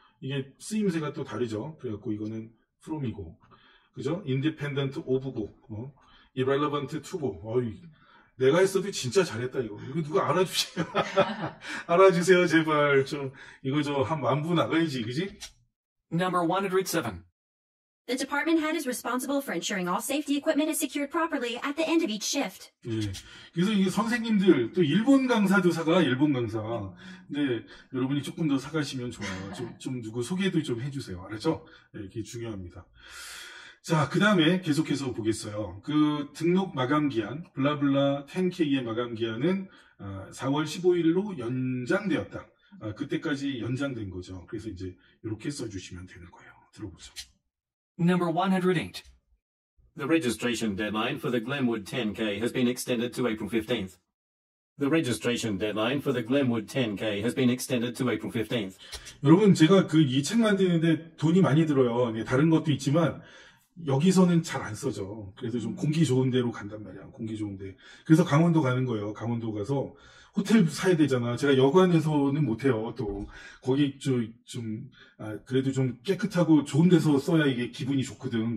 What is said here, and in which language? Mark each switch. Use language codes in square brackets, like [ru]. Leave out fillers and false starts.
[ko] 이게 쓰임새가 또 다르죠. 그래갖고 이거는 from이고. 그죠? independent of고. irrelevant to고. 내가 했어도 진짜 잘했다, 이거. 이거 누가 알아주세요. 알아주세요, 제발. 좀, 이거 저, 한 만부 나가야지, 그지? [en] Number 107. The department head is responsible for ensuring all safety equipment is secured properly at the end of each shift. [ko] 네. 그래서 이게 선생님들, 또 일본 강사도 사가, 일본 강사. 네. 여러분이 조금 더 사가시면 좋아요. 좀 누구 소개도 좀 해주세요. 알았죠? 네, 이게 중요합니다. 자, 그 다음에 계속해서 보겠어요. 그 등록 마감 기한, 블라블라 10K의 마감 기한은 4월 15일로 연장되었다. 그때까지 연장된 거죠. 그래서 이제 이렇게 써주시면 되는 거예요. 들어보죠. [en] Number 108. The registration deadline for the Glenwood 10K has been extended to April 15th. The registration deadline for the Glenwood 10K has been extended to April 15th. [ko] 여러분, 제가 그 이 책 만드는데 돈이 많이 들어요. 다른 것도 있지만, 여기서는 잘 안 써져. 그래서 좀 공기 좋은 데로 간단 말이야. 공기 좋은 데. 그래서 강원도 가는 거예요. 강원도 가서 호텔 사야 되잖아. 제가 여관에서는 못 해요. 또 거기 그래도 좀 깨끗하고 좋은 데서 써야 이게 기분이 좋거든.